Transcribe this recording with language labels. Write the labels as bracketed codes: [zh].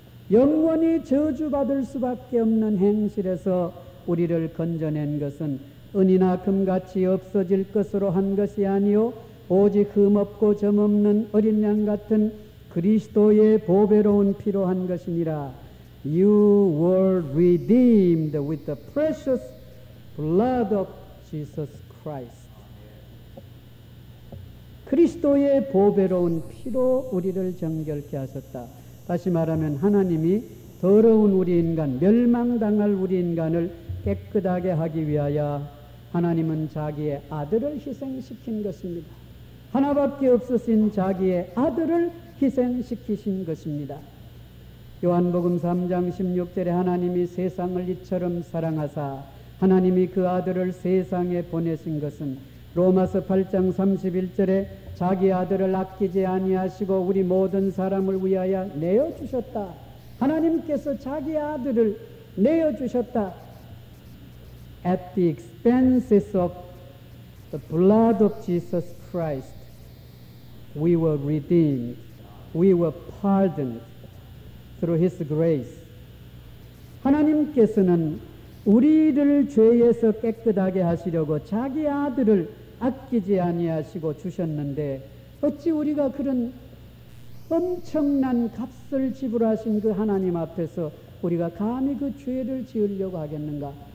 [ko] 영원히 저주받을 수밖에 없는 행실에서 우리를 건져낸 것은 은이나 금같이 없어질 것으로 한 것이 아니오 오직 흠없고 점없는 어린 양 같은 그리스도의 보배로운 피로 한 것이니라. [en] You were redeemed with the precious blood of Jesus Christ. [ko] 그리스도의 보배로운 피로 우리를 정결케 하셨다. 다시 말하면 하나님이 더러운 우리 인간, 멸망당할 우리 인간을 깨끗하게 하기 위하여 하나님은 자기의 아들을 희생시킨 것입니다. 하나밖에 없으신 자기의 아들을 희생시키신 것입니다. 요한복음 3장 16절에 하나님이 세상을 이처럼 사랑하사 하나님이 그 아들을 세상에 보내신 것은, 로마서 8장 31절에 자기 아들을 아끼지 아니하시고 우리 모든 사람을 위하여 내어주셨다. 하나님께서 자기 아들을 내어주셨다. [en] At the expenses of the blood of Jesus Christ, we were redeemed. We were pardoned through His grace. [ko] 하나님께서는 우리를 죄에서 깨끗하게 하시려고 자기 아들을 아끼지 아니하시고 주셨는데 어찌 우리가 그런 엄청난 값을 지불하신 그 하나님 앞에서 우리가 감히 그 죄를 지으려고 하겠는가?